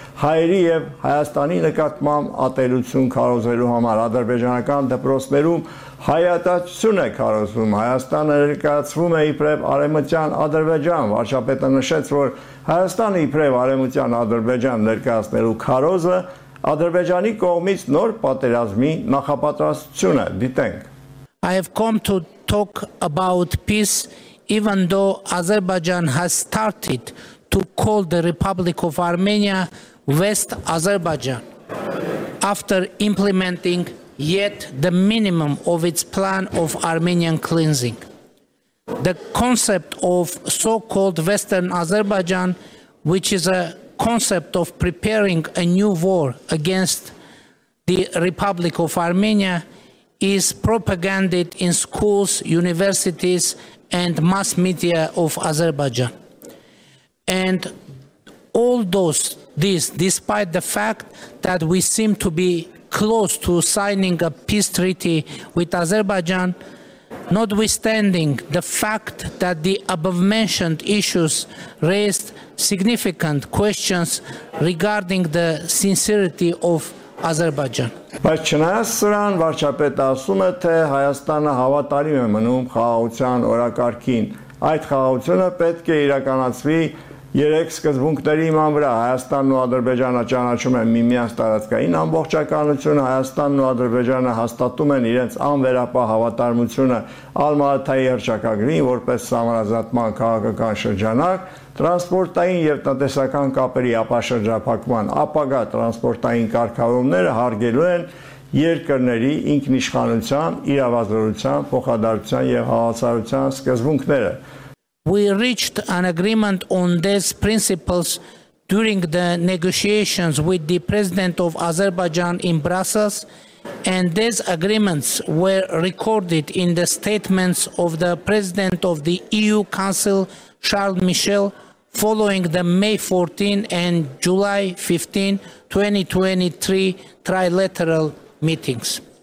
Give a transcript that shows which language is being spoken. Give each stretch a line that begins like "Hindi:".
Armenian: հայերի եւ Հայաստանի նկատմամբ ատելություն քարոզելու համար։ Ադրբեջանական դպրոցներում հայատացություն է քարոզվում, Հայաստանը ներկայացվում է իբրև արեմության Ադրբեջան։ Վարչապետը նշեց, որ Հայաստանը իբրև արեմության Ադրբեջան ներկայացնելու քարոզը Ադրբեջանի կողմից նոր պատերազմի նախապատրաստություն է։ Դիտենք.
English: I have come to talk about peace even though Azerbaijan has started to call the Republic of Armenia West Azerbaijan after implementing yet the minimum of its plan of Armenian cleansing. The concept of so-called Western Azerbaijan, which is a concept of preparing a new war against the Republic of Armenia, is propagated in schools, universities, and mass media of Azerbaijan. And all those, this, despite the fact that we seem to be close to signing a peace treaty with Azerbaijan, notwithstanding the fact that the above mentioned issues raised significant questions regarding the sincerity of Azerbaijan.
Armenian: Բայց չնայած սրան, վարչապետը ասում է, թե Հայաստանը հավատարիմ է մնում խաղաղության օրակարգին։ Այդ խաղաղությունը պետք է իրականացվի երեք սկզբունքների հիման վրա. Հայաստանն ու Ադրբեջանը ճանաչում են միմյանց տարածքային ամբողջականությունը, Հայաստանն ու Ադրբեջանը հաստատում են իրենց անվերապահ հավատարմությունը Ալմաատայի հռչակագրին որպես սահմանազատման քաղաքական շրջանակ, տրանսպորտային և տնտեսական կապերի ապաշրջափակման ապագա տրանսպորտային կարգավորումները հարգելու են երկրների ինքնիշխանության, իրավազորության, փոխադարձության և հավասարության սկզբունքները։
English: We reached an agreement on these principles during the negotiations with the President of Azerbaijan in Brussels, and these agreements were recorded in the statements of the President of the EU Council, Charles Michel, following the May 14 and July 15, 2023 trilateral meetings.